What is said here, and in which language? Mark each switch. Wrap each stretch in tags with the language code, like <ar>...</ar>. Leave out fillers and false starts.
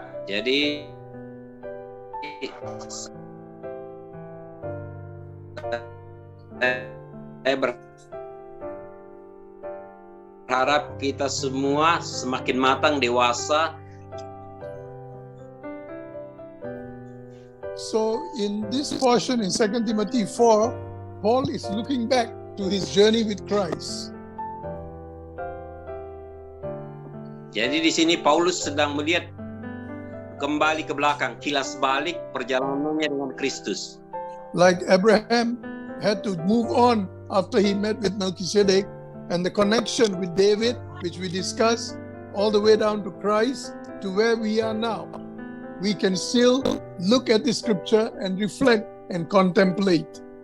<id>Jadi saya berharap kita semua semakin matang, dewasa.</id> <en>So in this portion in 2 Timothy 4, Paul is looking back to his journey with Christ.</en> <id>Jadi di sini Paulus sedang melihat kembali ke belakang, kilas balik perjalanannya dengan Kristus.</id> <en>Like Abraham had to move on after he met with Melchizedek, and the connection with David, which we discussed, all the way down to Christ, to where we are now. We can still look at the scripture and reflect and contemplate.</en>